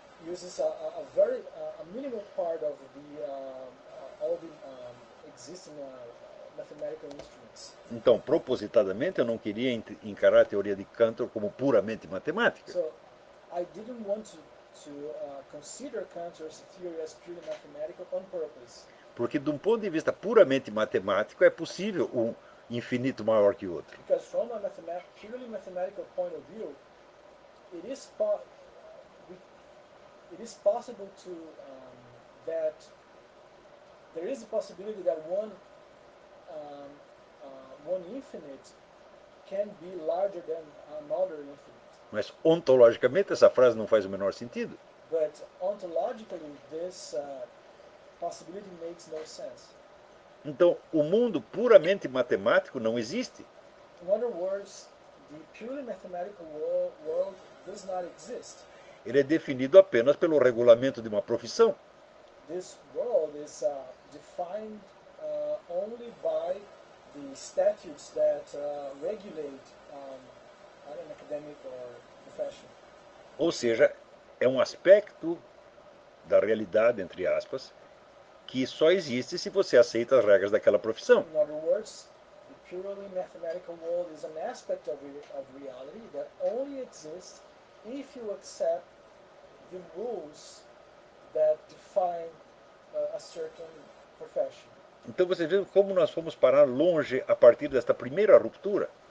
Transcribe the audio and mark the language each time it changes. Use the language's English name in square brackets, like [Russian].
[English] Uses a very minimal part of the all the existing mathematical instruments. [Portuguese] Então, propositadamente, eu não queria encarar a teoria de Cantor como puramente matemática. [English] So, I didn't want to consider Cantor's theory as purely mathematical on purpose. [Portuguese] Porque, de um ponto de vista puramente matemático, é possível um infinito maior que o outro. [English] Because from a purely mathematical point of view, it is possible. It is possible to that there is a possibility that one infinite can be larger than another infinite. [Portuguese] Mas ontologicamente essa frase não faz o menor sentido. [English] But ontologically this possibility makes no sense. [Portuguese] Então, o mundo puramente matemático não existe. [English] In other words, the purely mathematical world does not exist. [Portuguese] Ele é definido apenas pelo regulamento de uma profissão. [English] This world is defined only by the statutes that regulate an academic or profession. [Portuguese] Ou seja, é um aspecto da realidade, entre aspas, que só existe se você aceita as regras daquela profissão. [English] In other words, the purely mathematical world is an aspect of reality that only exists if you accept the rules that define a certain profession. [Portuguese] Então você vê como nós fomos parar longe a partir desta primeira ruptura.